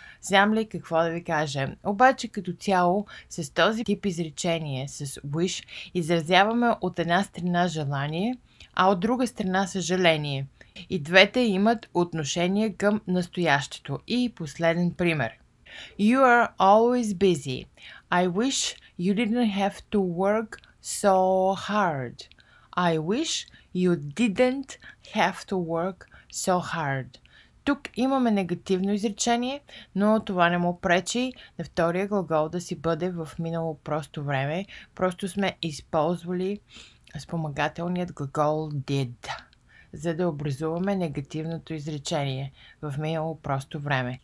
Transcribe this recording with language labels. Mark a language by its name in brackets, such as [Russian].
[Bulgarian] Знам ли какво да ви кажа? Обаче като цяло с този тип изречение, с wish, изразяваме от една страна желание, а от друга страна съжаление. И двете имат отношение към настоящето. И последен пример. [English] You are always busy. I wish you didn't have to work so hard. I wish you didn't have to work so hard. [Bulgarian] Тук имаме негативно изречение, но това не му пречи на втория глагол да си бъде в минало просто време. Просто сме използвали спомагателният глагол did, за да образуваме негативното изречение в минало просто време.